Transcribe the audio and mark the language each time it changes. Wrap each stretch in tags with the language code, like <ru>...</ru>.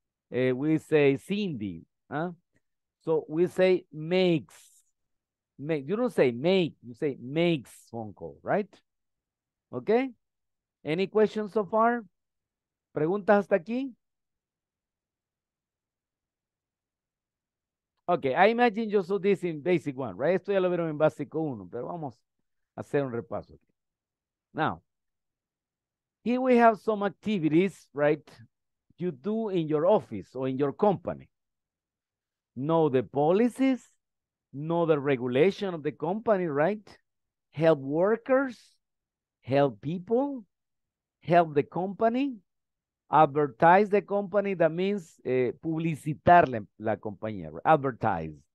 <en>We say Cindy. So we say makes. Make. You don't say make, you say makes phone call, right? Okay? Any questions so far?</en> <es>¿Preguntas hasta aquí?</es> <en>Okay, I imagine you saw this in basic one, right?</en> <es>Esto ya lo vieron en básico uno, pero vamos a hacer un repaso.</es> <en>Okay. Now, here we have some activities, right, you do in your office or in your company. Know the policies, know the regulation of the company, right? Help workers, help people, help the company, advertise the company, that means</en> <es>publicitar la compañía,</es> <en>right? Advertise.</en>